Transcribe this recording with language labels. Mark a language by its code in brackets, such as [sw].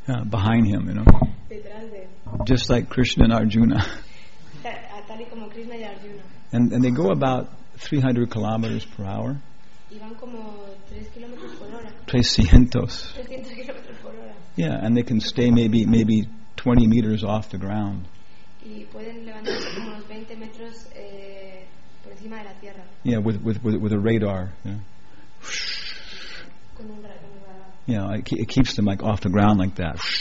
[en] behind him, you know. Just like Krishna and Arjuna. [es] tal y como Krishna y Arjuna. [en] And they go about 300 kilometers per hour. [es] Y van como 3 kilómetros por hora. [en] 300. [es] 300 kilómetros por hora. [en] Yeah, and they can stay maybe 20 meters off the ground. [es] Y pueden levantarse como unos 20 metros por encima de la tierra. [en] Yeah, with a radar. [es] Con un radar. [en] You know, it keeps them like off the ground like that.